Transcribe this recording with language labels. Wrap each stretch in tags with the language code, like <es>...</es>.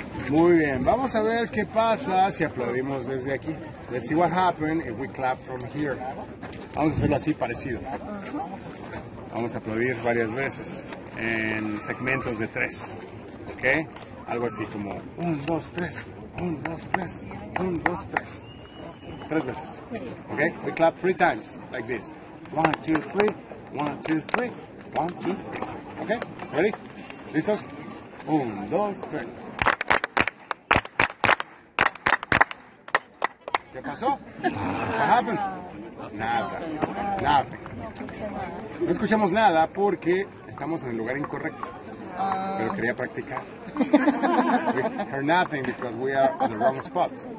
<es>muy bien, vamos a ver qué pasa si aplaudimos desde aquí.</es> <en>Let's see what happens if we clap from here.</en> <es>Vamos a hacerlo así, parecido. Vamos a aplaudir varias veces en segmentos de tres. ¿Ok? Algo así como un, dos, tres, un, dos, tres, un, dos, tres. Tres veces. ¿Ok?</es> <en>We clap three times, like this. One, two, three, one, two, three, one, two, three. ¿Ok? Ready?</en> <es>¿Listos? Un, dos, tres. ¿Qué pasó? ¿Qué</es> <en>happened?</en> <es>Nada. Nada. No escuchamos nada porque estamos en el lugar incorrecto. Pero quería practicar.</es> <en>We heard nothing because we are in the wrong spot.</en>